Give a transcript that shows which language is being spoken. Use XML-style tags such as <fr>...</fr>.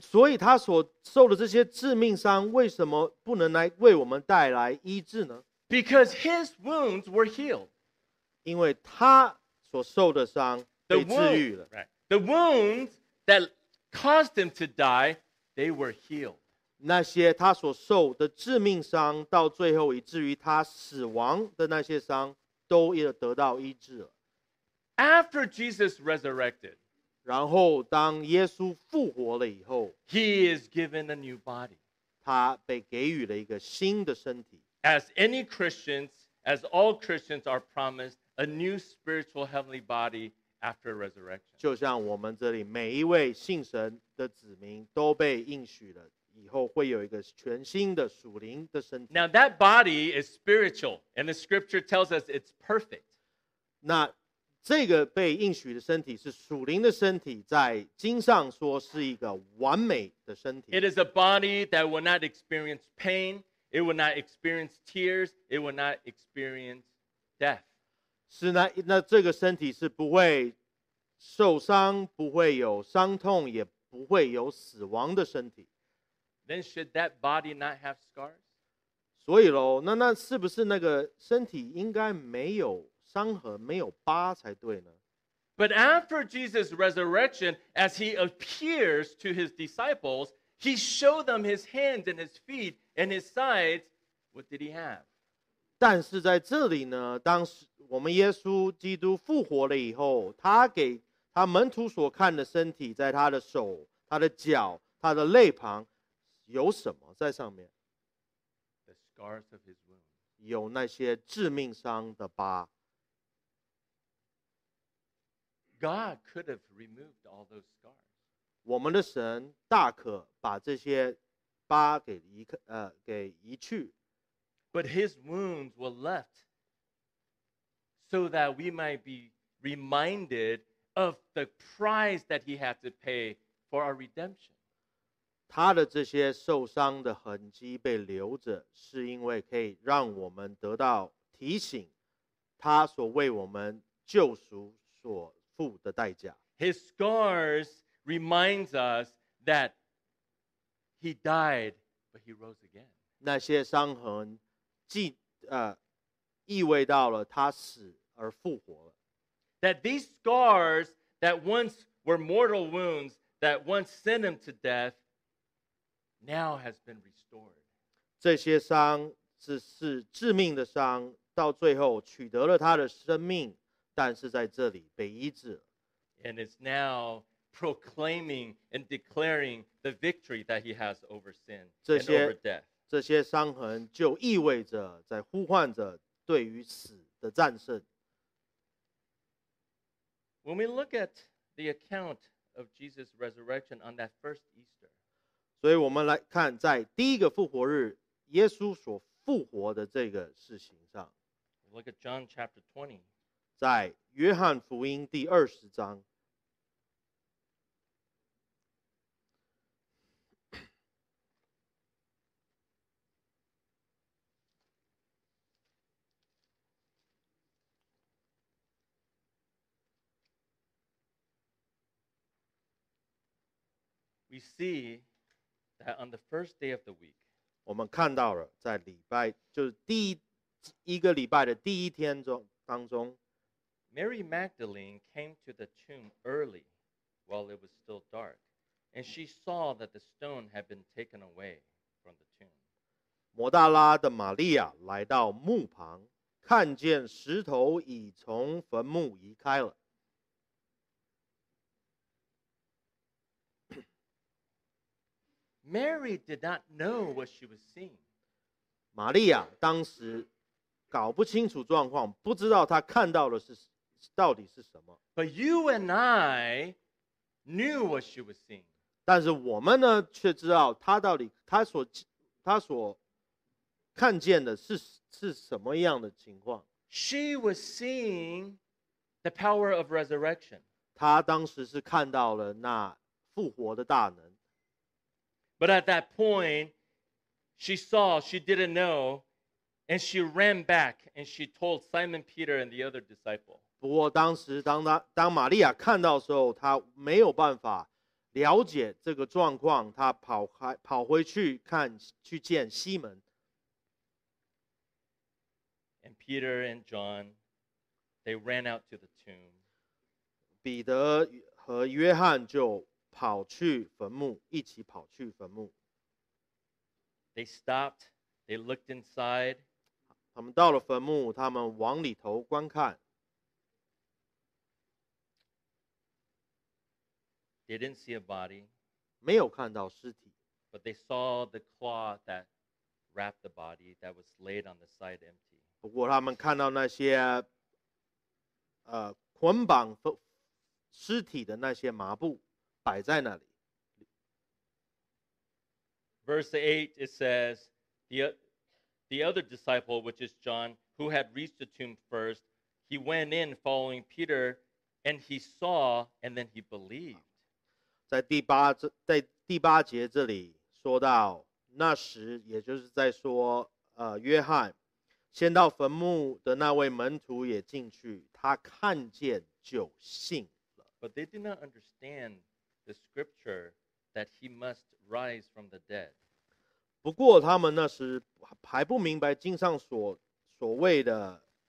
<zh>所以他所受的这些致命伤，为什么不能来为我们带来医治呢</zh> <en>？Because his wounds were healed.</en> <zh>因为他所受的伤被治愈了。</zh> <en>The wounds that caused him to die, they were healed.</en> <zh>那些他所受的致命伤，到最后以至于他死亡的那些伤，都也得到医治了。</zh> <en>After Jesus resurrected.</en> <zh>然后当耶稣复活了以后</zh> <en>He is given a new body.</en> <zh>他被给予了一个新的身体</zh> <en>As any Christians, as all Christians are promised, a new spiritual heavenly body after resurrection.</en> <zh>就像我们这里每一位信神的子民都被应许了以后会有一个全新的属灵的身体</zh> <en>Now that body is spiritual, and the scripture tells us it's perfect.</en> <zh>那这个被应许的身体是属灵的身体，在经上说是一个完美的身体。</zh> <en>It is a body that will not experience pain, it will not experience tears, it will not experience death.</en> <zh>是那这个身体是不会受伤，不会有伤痛，也不会有死亡的身体。</zh> <en>Then should that body not have scars?</en> <zh>所以咯，那是不是那个身体应该没有？伤痕没有疤才对呢。</zh> <en>But after Jesus' resurrection, as he appears to his disciples, he showed them his hands and his feet and his sides. What did he have?</en> <zh>但是在这里呢，当我们耶稣基督复活了以后，他给他门徒所看的身体，在他的手、他的脚、他的肋旁，有什么在上面</zh> <en>？The scars of his wound.</en> <zh>有那些致命伤的疤。</zh> <en>God could have removed all those scars.</en> <zh>我们的神大可把这些疤给移去。</zh> <en>But his wounds were left so that we might be reminded of the price that he had to pay for our redemption.</en> <zh>他的这些受伤的痕迹被留着，是因为可以让我们得到提醒，他所为我们救赎所。</zh> <en>His scars reminds us that he died, but he rose again.</en> <zh>那些伤痕意味到了他死而复活了。</zh> <en>That these scars that once were mortal wounds that once sent him to death now has been restored.</en> <zh>这些伤只是致命的伤，到最后取得了他的生命，但是在这里被医治了。</zh> <en>And is now proclaiming and declaring the victory that he has over sin and over death.</en> <zh>这些伤痕就意味着在呼唤着对于死的战胜。</zh> <en>When we look at the account of Jesus' resurrection on that first Easter,</en> <zh>所以我们来看在第一个复活日耶稣所复活的这个事情上。</zh> <en>Look at John chapter 20.</en> <zh>在约翰福音第二十章。</zh> <en>We see that on the first day of the week,</en> <zh>我们看到了在礼拜就是第一一个礼拜的第一天中当中</zh> <en>Mary Magdalene came to the tomb early while it was still dark, and she saw that the stone had been taken away from the tomb.</en> <zh>摩大拉的玛利亚来到墓旁，看见石头已从坟墓移开了。</zh> <en>Mary did not know what she was seeing.</en> <zh>玛利亚当时搞不清楚状况，不知道她看到的是到底是什么。</zh> <en>But you and I knew what she was seeing.</en> <zh>但是我们呢，却知道她到底她所看见的是什么样的情况。</zh> <en>She was seeing the power of resurrection.</en> <zh>她当时是看到了那复活的大能。</zh> <en>But at that point, she saw, she didn't know, and she ran back and she told Simon Peter and the other disciple.</en> <zh>不过当时当玛利亚看到的时候，她没有办法了解这个状况，她跑回去看去见西门。</zh> <en>And Peter and John, they ran out to the tomb.</en> <zh>彼得和约翰就跑去坟墓，一起跑去坟墓。</zh> <en>They stopped. They looked inside.</en> <zh>他们到了坟墓，他们往里头观看。</zh> <en>They didn't see a body.</en> <zh>没有看到尸体。</zh> <en>But they saw the cloth that wrapped the body that was laid on the side empty.</en> <zh>不过他们看到那些捆绑尸体的那些麻布。</zh> <en>Verse 8, it says, the other disciple, which is John, who had reached the tomb first, he went in following Peter, and he saw, and then he believed.</en> <zh>在第八节这里说到，那时也就是在说，约翰先到坟墓的那位门徒也进去，他看见就信了。</zh> <en>But they did not understand the scripture that he must rise from the dead.</en> <zh>不过他们那时还不明白经上所谓的</zh>